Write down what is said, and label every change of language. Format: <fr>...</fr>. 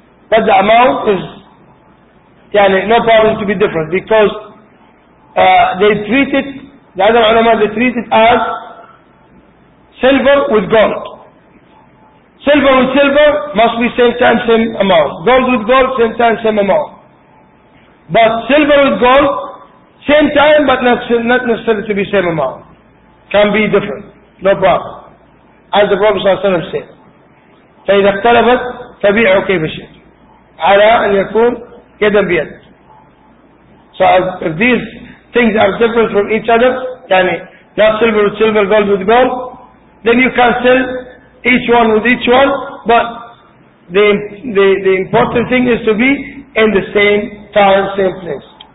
<en>But the amount is, yani, no problem to be different, because they treat it, the other ulama, they treat it as silver with gold. Silver with silver must be same time, same amount. Gold with gold, same time, same amount. But silver with gold, same time, but not necessarily to be same amount. Can be different. No problem.</en> <ar>As the Prophet ﷺ said, فَإِذَا اقْتَلَبَتْ فَبِيعُ كَيْفَ شِئْتْ عَلَىٰ أَنْ يَكُونْ يَدًا بِيَدْ.</ar> <en>So if these things are different from each other, yani not silver with silver, gold with gold, then you can sell each one with each one, but the important thing is to be in the same time, same place.</en>